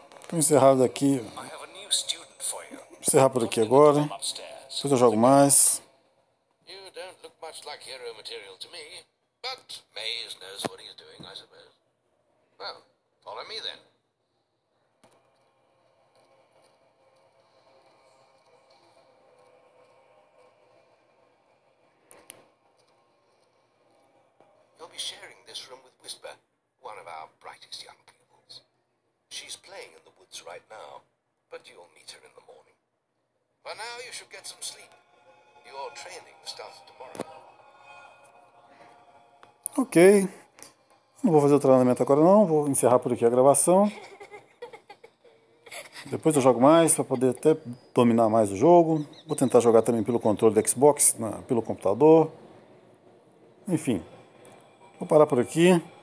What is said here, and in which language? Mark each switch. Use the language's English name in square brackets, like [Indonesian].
[Portuguese] Vou encerrar daqui. Vou encerrar por aqui agora. Depois eu jogo mais. [English] much like hero material to me. But Maze knows what he's doing, I suppose. Well, follow me then. You'll be sharing this room with Whisper, one of our brightest young pupils. She's playing in the woods right now, but you'll meet her in the morning. For now, you should get some sleep. Your training starts tomorrow. [Portuguese] Ok, não vou fazer o treinamento agora não, vou encerrar por aqui a gravação. Depois eu jogo mais para poder até dominar mais o jogo. Vou tentar jogar também pelo controle do Xbox, pelo computador. Enfim, vou parar por aqui.